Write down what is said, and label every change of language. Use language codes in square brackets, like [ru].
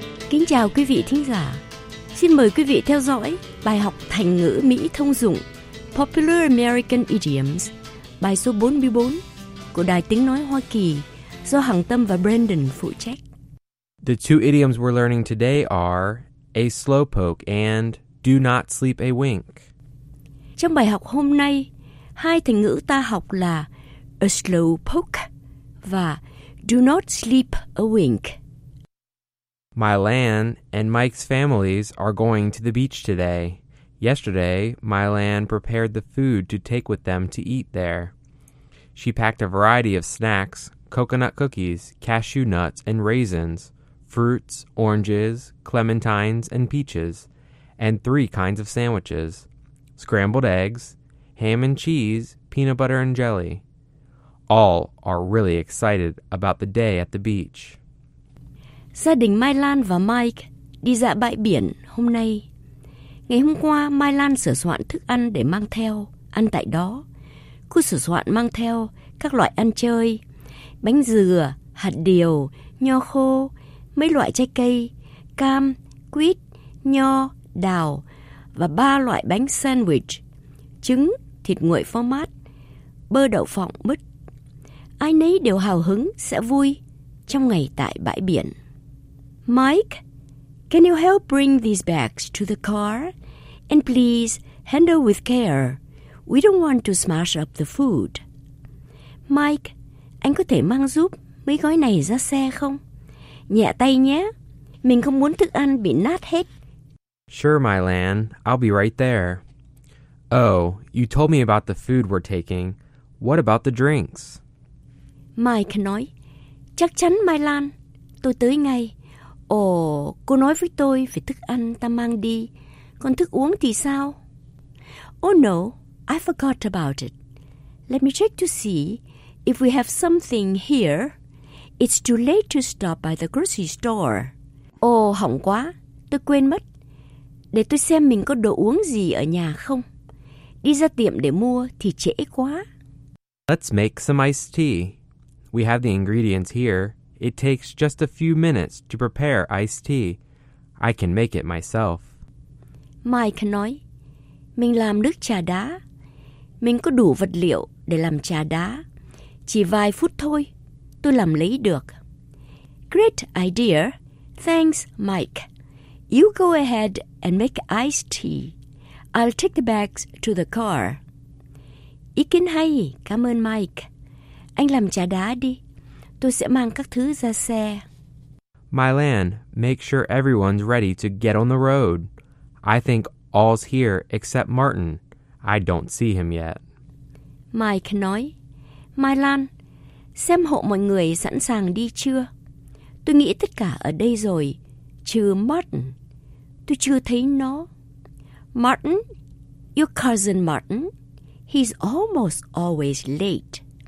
[vi] Kính chào quý vị thính giả. Xin mời quý vị theo dõi bài học thành ngữ Mỹ thông dụng [en] Popular American Idioms, [vi] bài số 44 của Đài Tiếng Nói Hoa Kỳ do Hằng Tâm và Brandon phụ trách. [en] The two idioms we're learning today are a slowpoke and do not sleep a wink. [vi] Trong bài học hôm nay, hai thành ngữ ta học là [en] a slowpoke [vi] và [en] do not sleep a wink. Mylan and Mike's families are going to the beach today. Yesterday, Mylan prepared the food to take with them to eat there. She packed a variety of snacks, coconut cookies, cashew nuts and raisins, fruits, oranges, clementines and peaches, and three kinds of sandwiches, scrambled eggs, ham and cheese, peanut butter and jelly. All are really excited about the day at the beach. [vi] Gia đình Mai Lan và Mike đi dạ bãi biển hôm nay. Ngày hôm qua, Mai Lan sửa soạn thức ăn để mang theo, ăn tại đó. Cô sửa soạn mang theo các loại ăn chơi, bánh dừa, hạt điều, nho khô, mấy loại trái cây, cam, quýt, nho, đào và ba loại bánh sandwich, trứng, thịt nguội phô mát, bơ đậu phộng, mứt. Ai nấy đều hào hứng sẽ vui trong ngày tại bãi biển. [en] Mike, can you help bring these bags to the car? And please, handle with care. We don't want to smash up the food. [vi] Mike, anh có thể mang giúp mấy gói này ra xe không? Nhẹ tay nhé. Mình không muốn thức ăn bị nát hết. [en] Sure, Mylan. I'll be right there. Oh, you told me about the food we're taking. What about the drinks? [vi] Mike nói, chắc chắn, Mylan. Tôi tới ngay. Ồ, cô nói với tôi về thức ăn ta mang đi. Còn thức uống thì sao? [en] Oh no, I forgot about it. Let me check to see if we have something here. It's too late to stop by the grocery store. [vi] Ồ, hỏng quá, tôi quên mất. Để tôi xem mình có đồ uống gì ở nhà không. Đi ra tiệm để mua thì trễ quá. [en] Let's make some iced tea. We have the ingredients here. It takes just a few minutes to prepare iced tea. I can make it myself. [vi] Mike nói, mình làm nước trà đá. Mình có đủ vật liệu để làm trà đá. Chỉ vài phút thôi, tôi làm lấy được. [en] Great idea. Thanks, Mike. You go ahead and make iced tea. I'll take the bags to the car. [vi] Ý kiến hay. Cảm ơn, Mike. Anh làm trà đá đi. Tôi sẽ mang các thứ ra xe. [en] Mylan, make sure everyone's ready to get on the road. I think all's here except Martin. I don't see him yet. [vi] Mike nói, Mylan, xem hộ mọi người sẵn sàng đi chưa? Tôi nghĩ tất cả ở đây rồi, trừ Martin. Tôi chưa thấy nó. [en] Martin, your cousin Martin, he's almost always late.